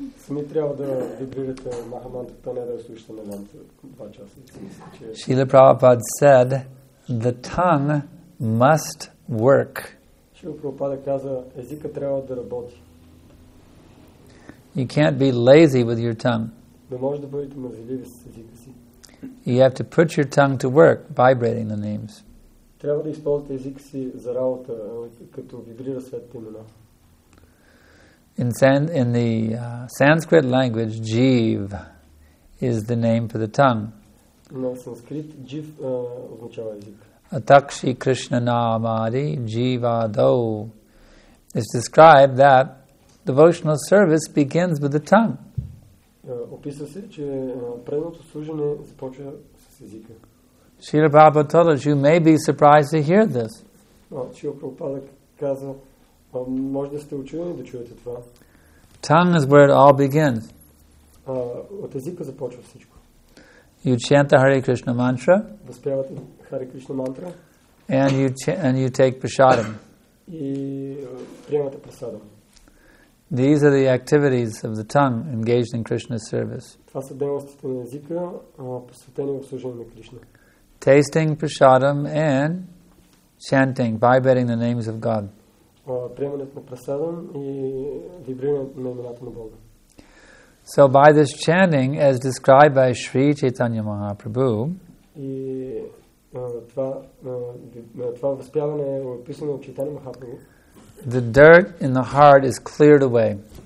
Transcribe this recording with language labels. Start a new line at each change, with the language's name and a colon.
Bulgarian: Сами трябва да вибрирате махамантрата, не да слушате на мантра 2 часа.
English: Шрила Прабхупада said, the tongue must work.
Bulgarian: Шрила Прабхупада каза, езика трябва да работи.
English: You can't be lazy with your tongue.
Bulgarian: Не може да бъдете мързеливи с езика си.
English: You have to put your tongue to work, vibrating the names.
Bulgarian: Трябва да използвате езика си за работа, като вибрира светите имена.
English: In the Sanskrit language, jiv is the name for the tongue.
Bulgarian: На санскрит jiv означава език.
Sanskrit: Atakshi Krishna Namadi Jiva Do.
English: It's described that devotional service begins with the tongue.
Bulgarian: Описва се, че предното служене започва с езика.
English: Srila Prabhupada told us, you may be surprised to hear this.
Bulgarian: Srila Prabhupada каза, може да сте учудени да чуете това.
English: Tongue is where it all begins.
Bulgarian: От езика започва всичко.
English: You chant the Hare Krishna mantra.
Bulgarian: Възпявате Hare Krishna mantra.
English: And you take prasadam.
Bulgarian: И приемате прасадам.
English: These are the activities of the tongue engaged in Krishna's service.
Bulgarian: Това са дейностите на езика, посветени в служение на Кришна.
English: Tasting prasadam and chanting, vibrating the names of God.
Bulgarian: Приемането на прасадам и вибрирането на имената на Бога.
English: So by this chanting, as described by Sri Chaitanya Mahaprabhu, the dirt in the heart is cleared away.